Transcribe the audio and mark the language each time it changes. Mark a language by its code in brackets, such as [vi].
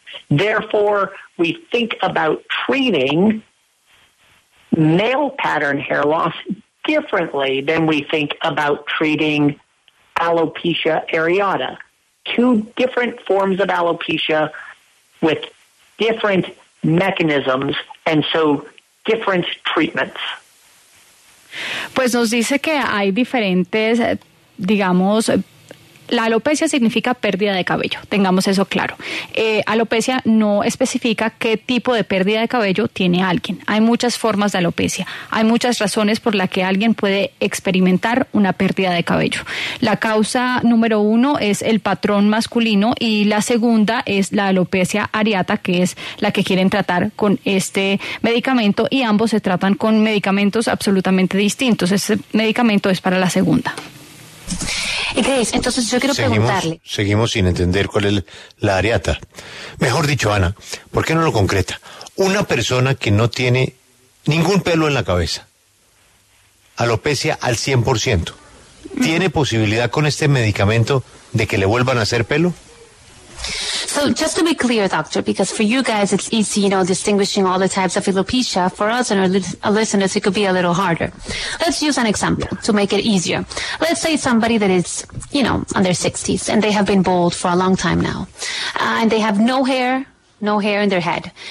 [en] Therefore, we think about treating male pattern hair loss differently than we think about treating alopecia areata. Two different forms of alopecia with different mechanisms and so different treatments. [es] Pues nos dice que hay diferentes, digamos, la alopecia significa pérdida de cabello, tengamos eso claro. Alopecia no especifica qué tipo de pérdida de cabello tiene alguien. Hay muchas formas de alopecia. Hay muchas razones por las que alguien puede experimentar una pérdida de cabello. La causa número uno es el patrón masculino y la segunda es la alopecia areata, que es la que quieren tratar con este medicamento, y ambos se tratan con medicamentos absolutamente distintos. Este medicamento es para la segunda. Entonces yo quiero preguntarle. Seguimos sin entender cuál es la areata. Mejor dicho, Ana, ¿por qué no lo concreta? Una persona que no tiene ningún pelo en la cabeza, alopecia al 100%, ¿tiene posibilidad con este medicamento de que le vuelvan a hacer pelo? [en] So just to be clear, doctor, because for you guys it's easy, you know, distinguishing all the types of alopecia. For us and our listeners, it could be a little harder. Let's use an example to make it easier. Let's say somebody that is, you know, in their 60s and they have been bald for a long time now, and they have no hair in their head.